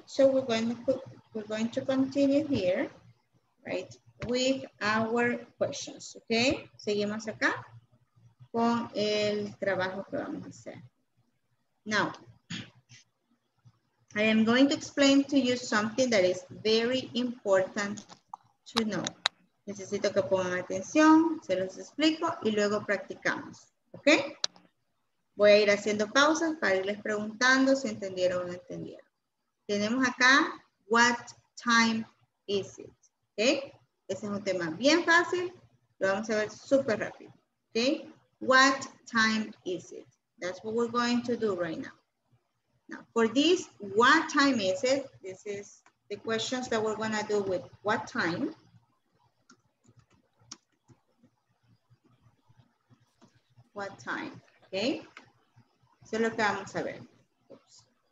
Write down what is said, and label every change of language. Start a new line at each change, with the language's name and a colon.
English: So we're going to continue here, right, with our questions, okay?
Spanish: Seguimos acá con el trabajo que vamos a hacer.
English: Now, I am going to explain to you something that is very important to know.
Spanish: Necesito que pongan atención, se los explico y luego practicamos, okay? Voy a ir haciendo pausas para irles preguntando si entendieron o no entendieron. Tenemos acá,
English: what time is it? Okay?
Spanish: Ese es un tema bien fácil, lo vamos a ver súper rápido.
English: Okay? What time is it? That's what we're going to do right now. Now, for this, what time is it? This is the questions that we're going to do with what time. What time?
Spanish: Okay? Eso es lo que vamos a ver. Oops.